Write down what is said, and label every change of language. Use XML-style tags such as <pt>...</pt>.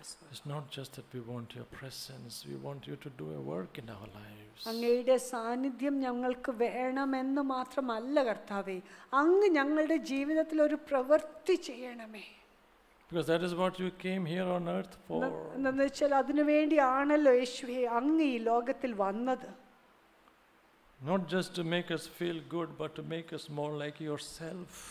<en>it's not just that we want your presence, we want you to do a work in our lives.</en> <ml>അങ്ങയുടെ സാന്നിധ്യം ഞങ്ങൾക്ക് വേണമെന്ന് മാത്രമല്ല കർത്താവേ, അങ്ങ് ഞങ്ങളുടെ ജീവിതത്തിൽ ഒരു പ്രവൃത്തി ചെയ്യണമേ.</ml> <en>Because that is what you came here on earth for.</en> <ml>എന്നുവെച്ചാൽ അതിനുവേണ്ടിയാണല്ലോ യേശുവേ അങ്ങ് ഈ ലോകത്തിൽ വന്നത്.</ml> <en>Not just to make us feel good, but to make us more like yourself.</en>